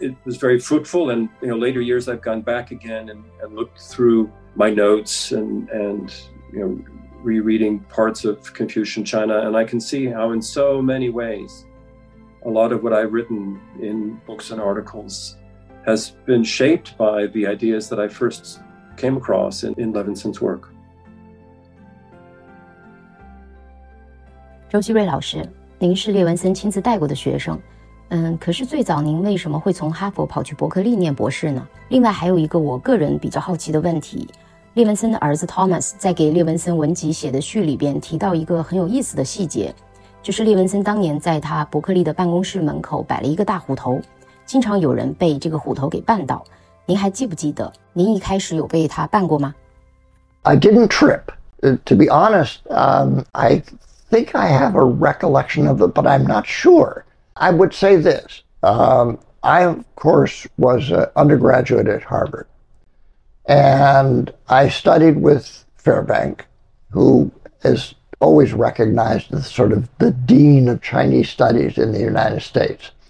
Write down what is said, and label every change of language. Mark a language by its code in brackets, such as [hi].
[en] It was very fruitful, and you know, later years I've gone back again and looked through my notes and you know, rereading parts of Confucian China, and I can see how in so many ways a lot of what I've written in books and articles has been shaped by the ideas that I first came across in Levinson's work. [zh] 周希瑞老师, 您是列文森亲自带过的学生。可是最早您为什么会从哈佛跑去伯克利念博士呢？另外还有一个我个人比较好奇的问题，列文森的儿子托马斯在给列文森文集写的序里边提到一个很有意思的细节，就是列文森当年在他伯克利的办公室门口摆了一个大虎头，经常有人被这个虎头给绊倒。您还记不记得您一开始有被他绊过吗？ [en] I didn't trip. To be honest, I think I have a recollection of it, but I'm not sure. I would say this. I, of course, was an undergraduate at Harvard, and I studied with Fairbank, who is always recognized as sort of the dean of Chinese studies in the United States.